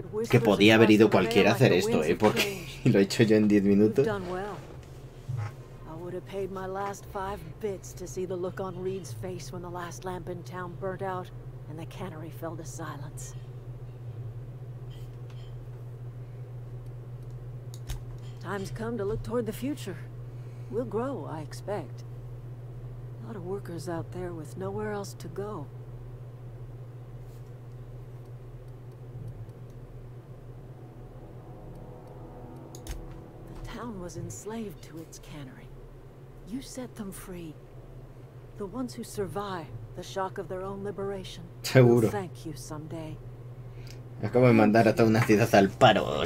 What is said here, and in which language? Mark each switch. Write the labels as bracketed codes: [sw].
[es] Que podía haber ido cualquiera a hacer esto, ¿eh? Porque lo he hecho yo en 10 minutos. [en] I would have paid my last 5 bits to see the look on Reed's face when the last lamp in town burnt out and the cannery fell to silence. Time's come to look toward the future. We'll grow, I expect. A lot of workers out there with nowhere else to go. The town was enslaved to its cannery. You set them free. The ones who survive the shock of their own liberation. [es] Seguro. [en] Thank you someday. [es] Acabo de mandar a toda una ciudad al paro.